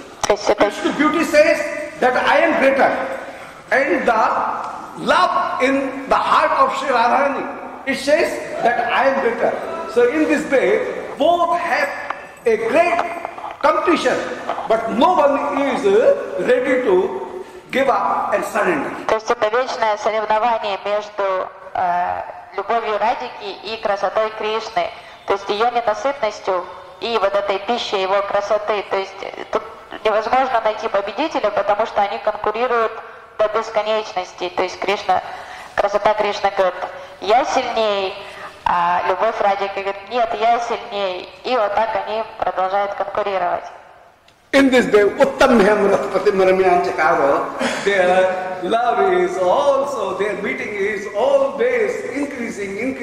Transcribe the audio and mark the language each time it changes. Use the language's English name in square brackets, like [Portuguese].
[English] Krishna beauty says that I am greater, and the love in the heart of Sri Radharani, it says that I am better. So in this way, both have a great competition, but no one is ready to give up and surrender. [Russian] То есть это вечное соревнование между любовью Радхики и красотой Кришны, то есть ее ненасытностью и вот этой пищей его красоты. То есть тут невозможно найти победителя, потому что они конкурируют до бесконечности. То есть Кришна, красота Кришны говорит, я сильней, а любовь Радхики говорит, нет, я сильней. И вот так они продолжают конкурировать. [English] In this day, Uttamyam Ratpatim Ramyam Chakaro, their love is also, their meeting is always increasing.